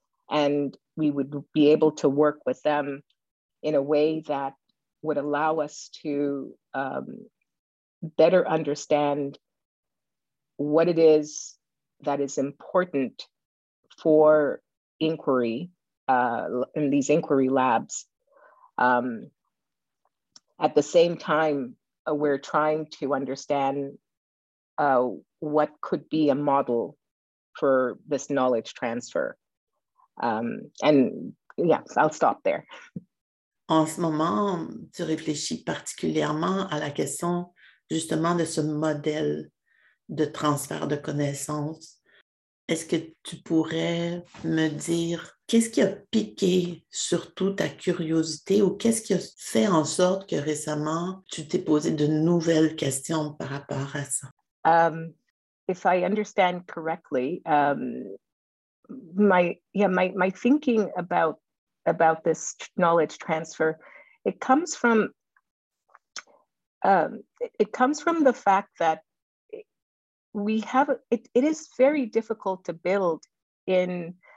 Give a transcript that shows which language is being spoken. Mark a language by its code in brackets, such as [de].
[en] And we would be able to work with them in a way that would allow us to better understand what it is that is important for inquiry in these inquiry labs. At the same time, we're trying to understand what could be a model for this knowledge transfer. I'll stop there. [fr] En ce moment, tu réfléchis particulièrement à la question justement de ce modèle de transfert de connaissances. Est-ce que tu pourrais me dire qu'est-ce qui a piqué surtout ta curiosité ou qu'est-ce qui a fait en sorte que récemment tu t'es posé de nouvelles questions par rapport à ça? [en] If I understand correctly, my thinking about this knowledge transfer, it comes from the fact that we have it is very difficult to build in.